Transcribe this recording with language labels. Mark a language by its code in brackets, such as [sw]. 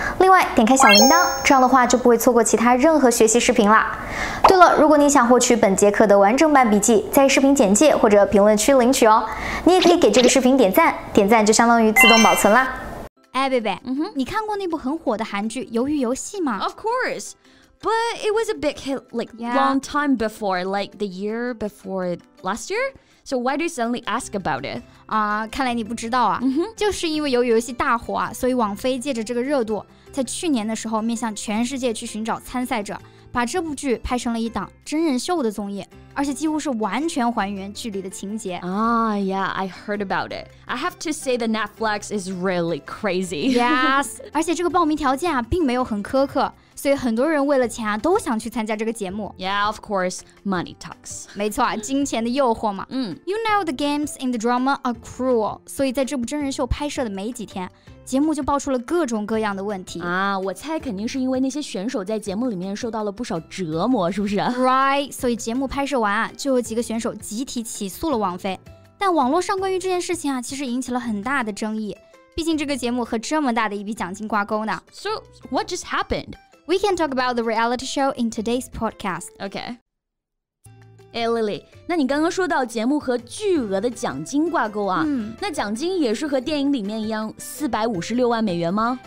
[zh] 另外，点开小铃铛，这样的话就不会错过其他任何学习视频啦。对了，如果你想获取本节课的完整版笔记，在视频简介或者评论区领取哦。你也可以给这个视频点赞，点赞就相当于自动保存啦。哎，贝贝，你看过那部很火的韩剧《鱿鱼游戏》吗 [en] ？Of course. But it was a big hit, like, long time before, like, the year before last year. So why do you suddenly ask about it? [zh] 看来你不知道啊。就是因为鱿鱼游戏大火啊，所以网飞借着这个热度，在去年的时候面向全世界去寻找参赛者，把这部剧拍成了一档真人秀的综艺，而且几乎是完全还原剧里的情节。 [en] I heard about it. I have to say that Netflix is really crazy. Yes. [zh] 而且这个报名条件啊，并没有很苛刻。所以很多人为了钱啊，都想去参加这个节目。 [en] Yeah, of course, money talks. [zh] 没错啊，金钱的诱惑嘛。 [en] You know the games in the drama are cruel. [zh] 所以在这部真人秀拍摄的没几天，节目就爆出了各种各样的问题。我猜肯定是因为那些选手在节目里面受到了不少折磨，是不是 [en] ？Right. [zh] 所以节目拍摄完啊，就有几个选手集体起诉了王菲。但网络上关于这件事情啊，其实引起了很大的争议。毕竟这个节目和这么大的一笔奖金挂钩呢。 [en] So what just happened? We can talk about the reality show in today's podcast. Okay. [zh] Hey, Lily, 那你刚刚说到节目和巨额的奖金挂钩啊，那奖金也是和电影里面一样$4,560,000吗？